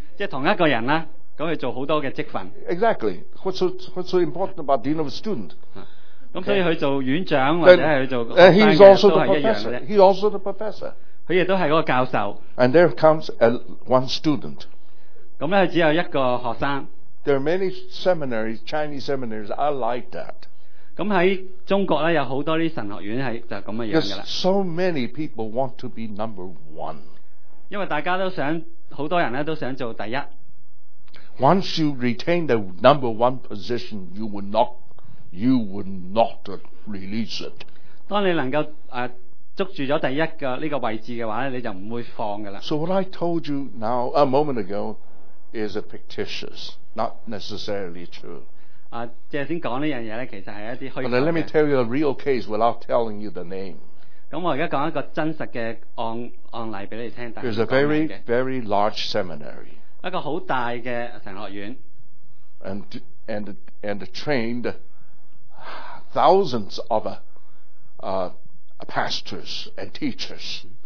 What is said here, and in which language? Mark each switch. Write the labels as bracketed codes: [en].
[yue] 即同一个人啦，咁佢做好多嘅职份。 [en] Exactly. What's so important about dean of a student? [yue] 咁所以佢做院长或者系做学生嘅都系一样嘅。 [en] He's also the professor. [yue] 佢亦都系嗰个教授。 [en] And there comes one student. [yue] 咁咧只有一个学生。 [en] There are many seminaries, Chinese seminaries are like that. [yue] 咁喺中国咧有好多啲神学院系就咁嘅样噶啦。 [en] So many people want to be number one. [yue] 因为大家都想，好多人都想做第一。 [en] Once you retain the number one position, you will not release it. [yue] 当你能够捉住咗第一个呢个位置嘅话，你就唔会放噶啦。 [en] So what I told you now a moment ago is a fictitious, not necessarily true. [yue] 即系先讲呢样嘢咧，其实系一啲虚。 [en] But let me tell you a real case without telling you the name. [yue] 咁我而家讲一个真实嘅案例俾你听，但系 [en] ，a very very large seminary， [yue] 一个好大嘅神学院 [en] ，and trained thousands of pastors and teachers，